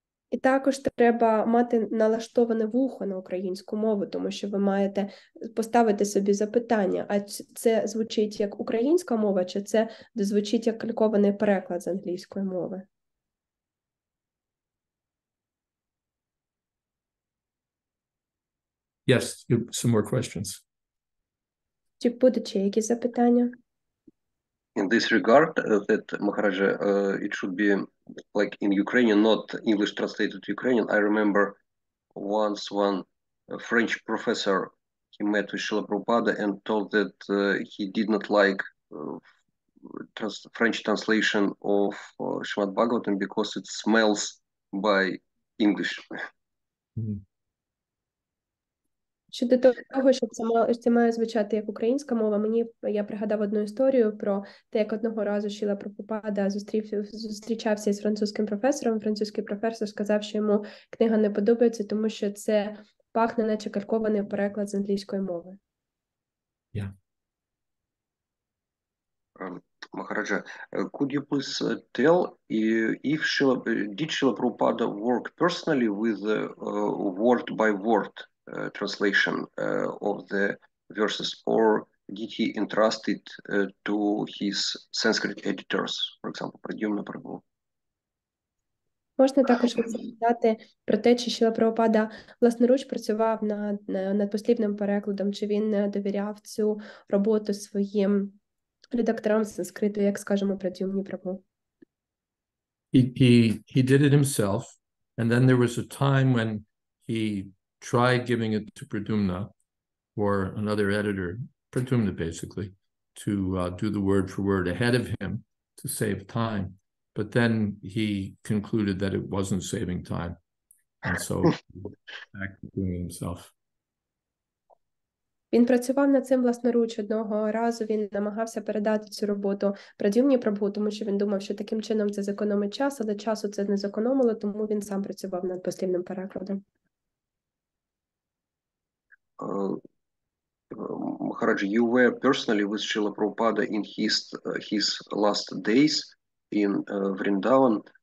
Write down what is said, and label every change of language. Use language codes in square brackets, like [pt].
[uk] І також треба мати налаштоване вухо на українську мову, тому що ви маєте поставити собі запитання, а це звучить як українська мова, чи це звучить як калькований переклад з англійської мови? [en] Yes, some more questions. [uk] Чи буде ще які запитання? [en] In this regard, that Maharaj, it should be like in Ukrainian, not English translated to Ukrainian. I remember once one French professor, he met with Srila Prabhupada and told that he did not like French translation of Shrimad-Bhagavatam because it smells by English. [uk] Щодо того, що це має звучати як українська мова, мені я пригадав одну історію про те, як одного разу Шіла Прабхупада зустрічався з французьким професором. Французький професор сказав, що йому книга не подобається, тому що це пахне, наче калькований переклад з англійської мови. [en] Махараджа, could you please tell if Шіла Прабхупада worked personally with word by word translation of the verses, or did he entrust it to his Sanskrit editors, for example, Pradyumna Prabhu? [uk] Можна також запитати про те, чи Шіла Прабхупада власноруч працював над послівним перекладом, чи він довіряв цю роботу своїм редакторам санскриту, як скажемо, Pradyumna Prabhu? [en] He did it himself, and then there was a time when he tried giving it to Pradyumna or another editor, Pradyumna basically, to do the word for word ahead of him to save time. But then he concluded that it wasn't saving time. And so back to doing it himself. [uk] Він працював над цим власноруч. Одного разу він намагався передати цю роботу Прадюмні Прабху, тому що він думав, що таким чином це зекономить час, але часу це не зекономило, тому він сам працював над послівним перекладом. [en] Maharaj, you were personally with Srila Prabhupada in his last days in Vrindavan.